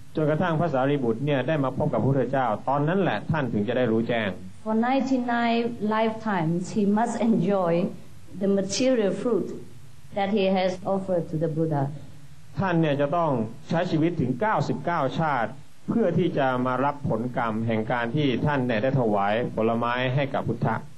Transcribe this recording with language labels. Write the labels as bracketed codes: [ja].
[th] จนกระทั่งพระสารีบุตรเนี่ยได้มาพบกับพระพุทธเจ้าตอนนั้นแหละท่านถึงจะได้รู้แจ้ง [en] For 99 lifetimes he must enjoy the material fruit that he has offered to the Buddha. [th] ท่านเนี่ยจะต้องใช้ชีวิตถึง99ชาติเพื่อที่จะมารับผลกรรมแห่งการที่ท่านเนี่ยได้ถวายผลไม้ให้กับพุทธะ